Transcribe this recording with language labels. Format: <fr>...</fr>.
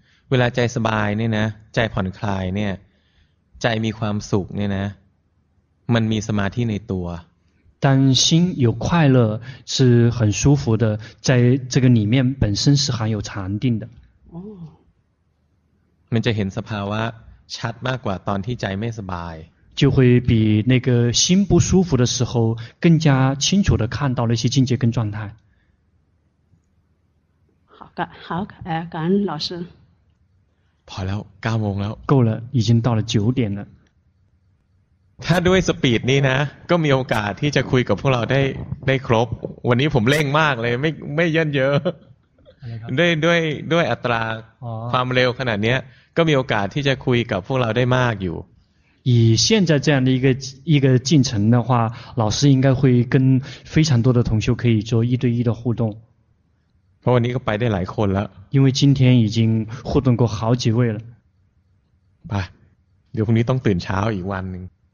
<th>เวลาใจสบายเนี่ยนะใจผ่อนคลายเนี่ยใจมีความสุขเนี่ยนะมันมีสมาธิในตัว</th> <zh>但心有快乐是很舒服的，在这个里面本身是含有禅定的。</zh> <th>哦。มันจะเห็นสภาวะชัดมากกว่าตอนที่ใจไม่สบาย。</th> <zh>就会比那个心不舒服的时候更加清楚的看到那些境界跟状态。好，感恩老师。跑了，9点了。够了，已经到了九点了。</zh> <th>ถ้าด้วยสปีดนี้นะก็มีโอกาสที่จะคุยกับพวกเราได้ครบวันนี้ผมเร่งมากเลยไม่ยันเยอะด้วยอัตราความเร็วขนาดนี้ก็มีโอกาสที่จะคุยกับพวกเราได้มากอยู่</th> <zh>以现在这样的一个进程的话老师应该会跟非常多的同修可以做一对一的互动</zh> <th>เพราะวันนี้ก็ไปได้หลายคนแล้ว</th> <zh>因为今天已经互动过好几位了</zh> <th>ไปเดี๋ยวพรุ่งนี้ต้องตื่นเช้าอีกวันนึง</th>